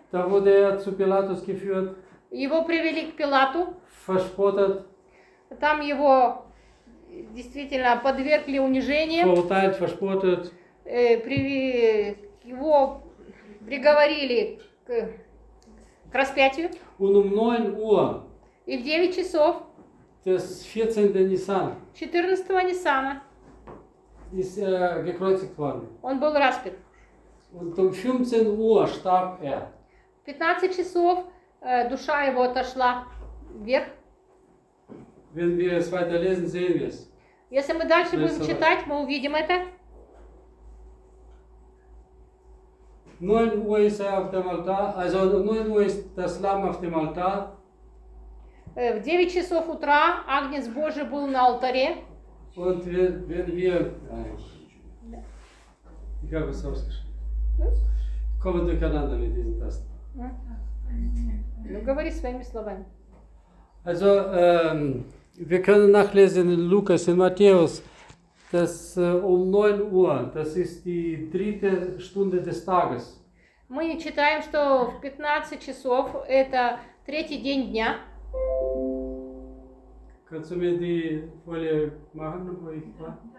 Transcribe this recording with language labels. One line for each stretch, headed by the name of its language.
German: Da wurde er zu Pilatus geführt.
Russian: Его привели к Пилату.
German: Verspottet.
Russian: Там его действительно подвергли унижению.
German: Verurteilt, verspottet.
Russian: Его приговорили к распятию.
German: Und um 9 Uhr.
Russian: И в 9 часов.
German: Des 14. Nisan.
Russian: 14 Нисана.
German: Ist er gekreuzigt worden.
Russian: Он был распят.
German: Und um 15 Uhr starb er.
Russian: 15 часов душа его отошла вверх.
German: Wenn wir es weiterlesen, sehen wir es.
Russian: Если мы дальше будем читать, мы увидим это.
German: 9 Uhr ist er auf dem Altar, also 9 Uhr ist das Lamm auf dem Altar.
Russian: В 9 часов утра Агнец Божий был на алтаре.
German: Und wenn wir... Ich habe es ausgeschrieben. Kommen wir durcheinander mit diesen Tasten.
Russian: Ну, говори своими словами.
German: Also, wir können nachlesen in Lukas, in Matthäus, dass um 9 Uhr, das ist die dritte Stunde des Tages.
Russian: Мы читаем, что в 15 часов, это третий день дня.
German: Kannst du mir die Folie machen, wo ich war?